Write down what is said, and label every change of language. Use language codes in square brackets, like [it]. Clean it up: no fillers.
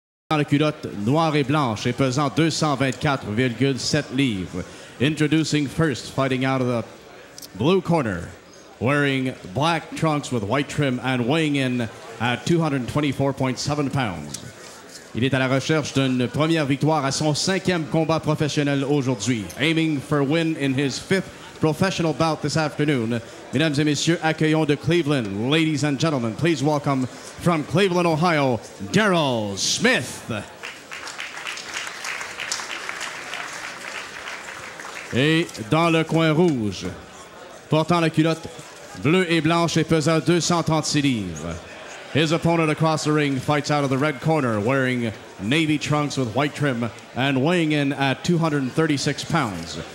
[fr] dans la culotte noire et blanche et pesant 224,7 livres. [en] Introducing first, fighting out of the blue corner, wearing black trunks with white trim and weighing in at 224.7 pounds. [fr] Il est à la recherche d'une première victoire à son cinquième combat professionnel aujourd'hui. [en] Aiming for a win in his fifth professional bout this afternoon. [fr] Mesdames et messieurs, accueillons de Cleveland. [en] Ladies and gentlemen, please welcome from Cleveland, Ohio, Darryl Smith. [fr] Et dans le coin rouge, portant la culotte bleue et blanche et pesant 236 livres. [en] His opponent across the ring fights out of the red corner, wearing navy trunks with white trim and weighing in at 236 pounds.